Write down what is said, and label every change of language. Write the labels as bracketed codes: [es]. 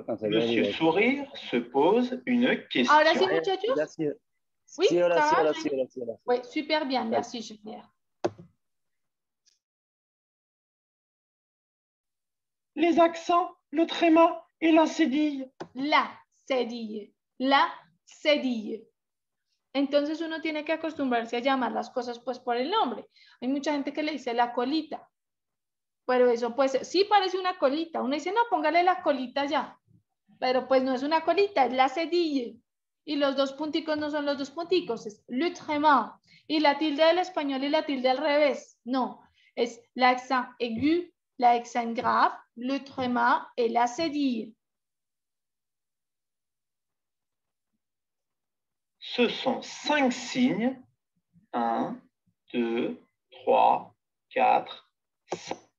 [fr] Monsieur Sourire se pose une question. [es] Ahora sí, muchachos. Oui, sí, ahora, sí, ahora, sí, ahora, sí, ahora, sí. [fr] Oui, super bien. Merci, Julien. Les accents, le tréma et la cédille. La cédille. La cédille. [es] Entonces uno tiene que acostumbrarse a llamar las cosas pues por el nombre. Hay mucha gente que le dice la colita. Pero eso pues sí parece una colita. Uno dice, no, póngale la colita ya. Pero pues no es una colita, es la cédille. Y los 2 punticos no son los 2 punticos, es le tréma. Y la tilde del español y la tilde al revés. No, es [fr] l'accent aigu, l'accent grave, le tréma et la cédille. Ce sont 5 signes. 1, 2, 3, 4, 5.